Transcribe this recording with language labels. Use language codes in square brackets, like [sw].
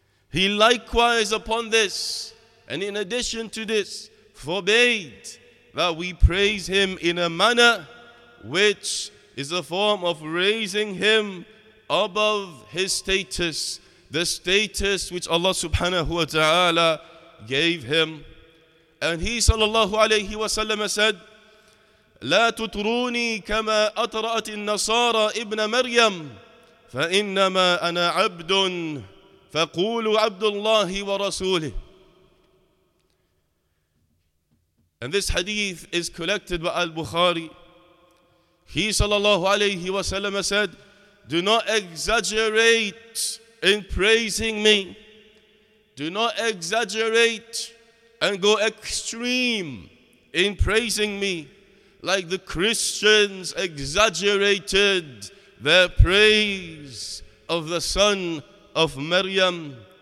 [en] he likewise upon this, and in addition to this, forbade that we praise him in a manner which is a form of raising him above his status, the status which Allah subhanahu wa ta'ala gave him. And he sallallahu alayhi wa sallam said, [ar] لا تتروني كما أطرأت النصارى ابن مريم فإنما أنا عبد فقولوا عبد الله ورسوله. [en] And this hadith is collected by Al-Bukhari. He sallallahu alayhi wa sallam said, do not exaggerate in praising me. Do not exaggerate and go extreme in praising me, like the Christians exaggerated their praise of the son of Maryam.